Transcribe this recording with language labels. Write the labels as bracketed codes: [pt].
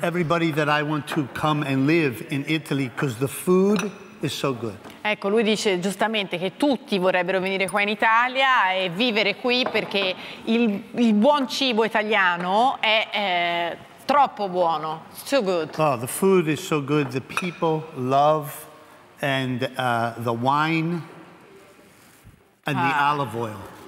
[en] Everybody that I want to come and live in Italy because the food. It's so good. [it] Ecco, lui dice giustamente che tutti vorrebbero venire qua in Italia e vivere qui perché il buon cibo italiano è troppo buono. [en] So good. Oh, the food is so good. The people love and the wine and the olive oil.